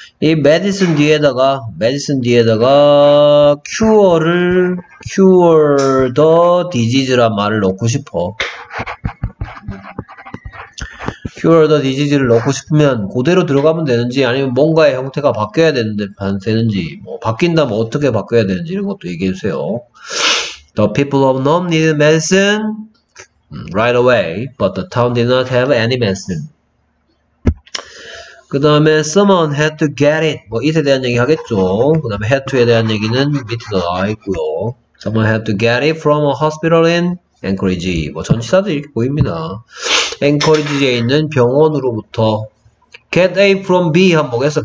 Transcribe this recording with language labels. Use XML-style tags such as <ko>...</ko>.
<ko>이 medicine 뒤에다가</ko> <en>cure the disease</en> <ko>란 말을 넣고 싶어.</ko> <en>cure the disease</en> <ko>를 넣고 싶으면 그대로 들어가면 되는지 아니면 뭔가의 형태가 바뀌어야 되는지 뭐 바뀐다면 어떻게 바뀌어야 되는지 이런 것도 얘기해 주세요.</ko> <en>The people of Nome needed medicine right away, but the town did not have any medicine.</en> <ko>그 다음에</ko> <en>someone had to get it.</en> <ko>뭐 it에 대한 얘기 하겠죠. 그 다음에 had to에 대한 얘기는 밑에도 나와 있고요.</ko> <en>Someone had to get it from a hospital in Anchorage.</en> <ko>뭐 전치사도 이렇게 보입니다. Anchorage에 있는 병원으로부터 get A from B 한번 보겠어.</ko>